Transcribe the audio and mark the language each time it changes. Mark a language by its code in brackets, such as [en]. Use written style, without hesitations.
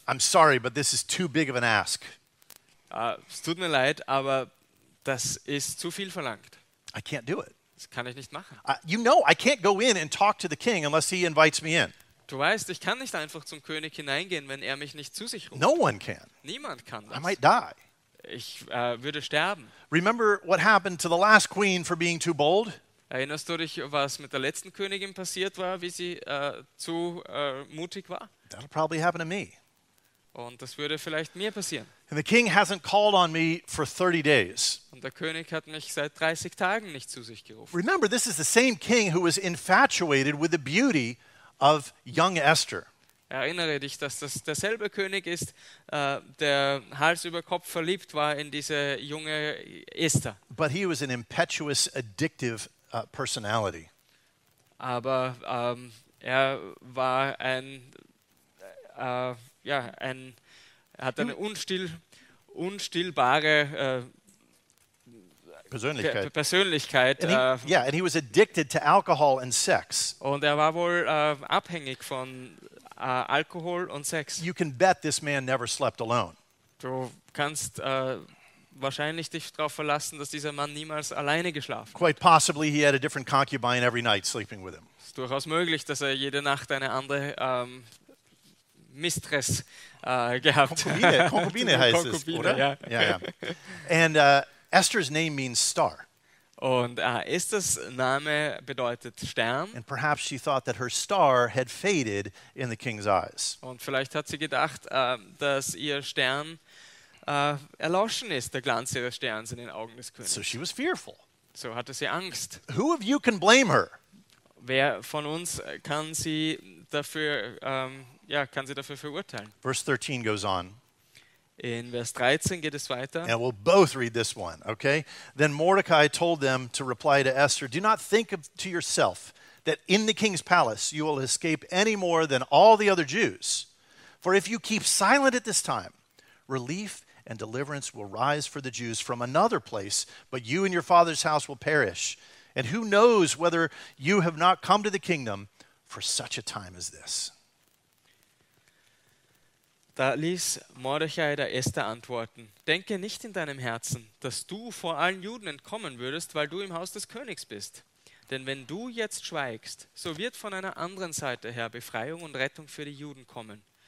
[en] I'm sorry, but this is too big of an ask. [de] Es tut mir leid, aber das ist zu viel verlangt. [en] I can't do it. [de] Das kann ich nicht machen. [en] I can't go in and talk to the king unless he invites me in. [de] Du weißt, ich kann nicht einfach zum König hineingehen, wenn er mich nicht zu sich ruft. [en] No one can. [de] Niemand kann das. [en] I might die. [de] Ich würde sterben. [en] Remember what happened to the last queen for being too bold? [de] Erinnerst du dich, was mit der letzten Königin passiert war, wie sie zu mutig war? [en] That'll probably happen to me. [de] Und das würde vielleicht mir passieren. [en] And the king hasn't called on me for 30 days. [de] Und der König hat mich seit 30 Tagen nicht zu sich gerufen. [en] Remember, this is the same king who was infatuated with the beauty of young Esther. [de] Erinnere dich, dass das derselbe König ist, der Hals über Kopf verliebt war in diese junge Esther. [en] But he was an impetuous, addictive personality. [de] Aber er war ein ja, ein hat eine unstillbare Persönlichkeit. [en] And he was addicted to alcohol and sex. [de] Und er war wohl abhängig von Alkohol und Sex. [en] You can bet this man never slept alone. [de] Du kannst wahrscheinlich dich darauf verlassen, dass dieser Mann niemals alleine geschlafen hat. [en] Quite possibly he had a different concubine every night sleeping with him. [de] Es ist durchaus möglich, dass er jede Nacht eine andere Mistress gehabt hat. Konkubine heißt es, oder? Ja, [en] ja. And Esther's name means star. [de] Und Esthers Name bedeutet Stern. [en] And perhaps she thought that her star had faded in the king's eyes. [de] Und vielleicht hat sie gedacht, dass ihr Stern erloschen ist, der Glanz ihres Sterns in den Augen des Königs. [en] So she was fearful. [de] So hatte sie Angst. [en] Who of you can blame her? [de] Wer von uns kann sie dafür kann sie dafür verurteilen? [en] Verse 13 goes on. [de] In Vers 13 geht es weiter. [en] And we'll both read this one, okay? Then Mordecai told them to reply to Esther, do not think to yourself that in the king's palace you will escape any more than all the other Jews. For if you keep silent at this time, relief and deliverance will rise for the Jews from another place, but you and your father's house will perish. And who knows whether you have not come to the kingdom for such a time as this. [de] Da ließ Mordechai der Esther antworten, denke nicht in deinem Herzen, dass du vor allen Juden entkommen würdest, weil du im Haus des Königs bist. Denn wenn du jetzt schweigst, so wird von einer anderen Seite her Befreiung und Rettung für die Juden kommen.